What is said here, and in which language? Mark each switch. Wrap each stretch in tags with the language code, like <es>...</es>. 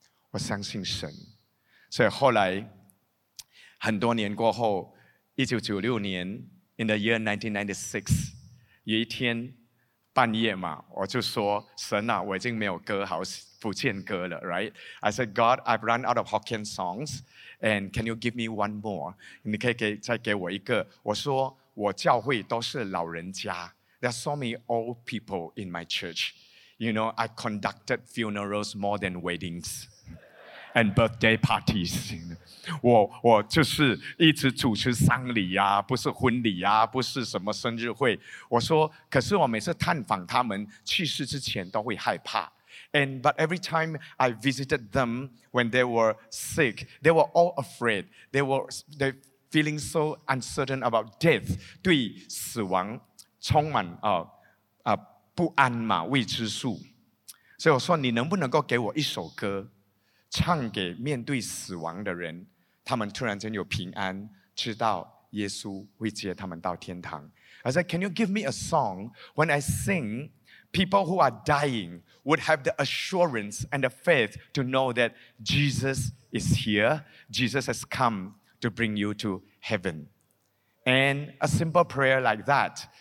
<zh>我相信神。所以后来很多年过后，1996年</zh> <en>in the year 1996,</en> <zh>有一天半夜嘛，我就说，神啊，我已经没有歌好福建歌了， right?</zh> <en>I said, God, I've run out of Hokkien songs, and can you give me one more?</en> <zh>你可以再给我一个。我说我教会都是老人家，</zh> <en>there are so many old people in my church. You know, I conducted funerals more than weddings and birthday parties.</en> <zh>我就是一直主持丧礼啊，不是婚礼啊，不是什么生日会。我说，可是我每次探访他们去世之前都会害怕。</zh> <en>And but every time I visited them when they were sick, they were all afraid. They feeling so uncertain about death.</en> <zh>对死亡充满不安嘛，未知数。所以我说，你能不能够给我一首歌，唱给面对死亡的人，他们突然间有平安，知道耶稣会接他们到天堂。</zh> <en>I said, can you give me a song? When I sing, people who are dying would have the assurance and the faith to know that Jesus is here. Jesus has come to bring you to heaven. And a simple prayer like that,</en>